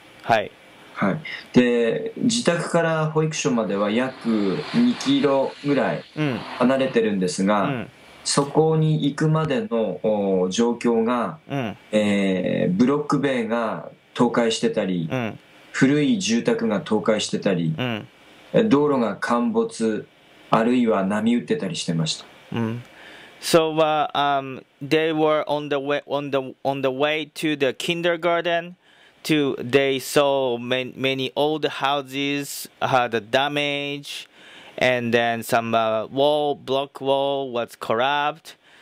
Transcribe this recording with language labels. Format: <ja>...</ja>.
<ja>はい、はい、で自宅から保育所までは約2キロぐらい離れてるんですが、うん、そこに行くまでの状況が、うん、ブロック塀が倒壊してたり、うん、古い住宅が倒壊してたり、うん、道路が陥没あるいは波打ってたりしてました。</ja> <en>うん、So they were on the way to the kindergarten to, they saw many old houses had a damage, and then some wall, block wall was corrupt.</en>